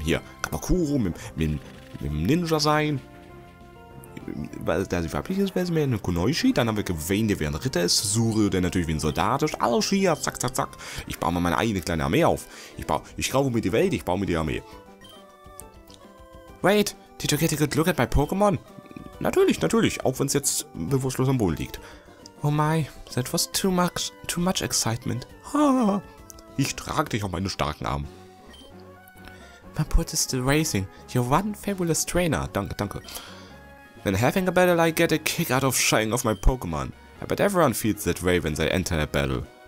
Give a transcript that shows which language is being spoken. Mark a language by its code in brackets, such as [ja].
[de] Hier, Kamakuro mit dem Ninja sein. Weil da sie weiblich ist, wäre sie mehr eine Kunoichi. Dann haben wir Gwen, der wie ein Ritter ist. Suryu, der natürlich wie ein Soldat ist. Arshia, zack, zack, zack. Ich baue mal meine eigene kleine Armee auf. Ich graube mir die Welt, ich baue mir die Armee. [en] Wait, did you get a good look at my Pokémon? [de] Natürlich. Auch wenn es jetzt bewusstlos am Boden liegt. [en] Oh my, that was too much excitement. [de] Ich trage dich auf meinen starken Arm. [en] My poor is still racing. You're one fabulous trainer. [de] Danke. [en] When having a battle, I get a kick out of shying off my Pokémon. I bet everyone feels that way when they enter a battle.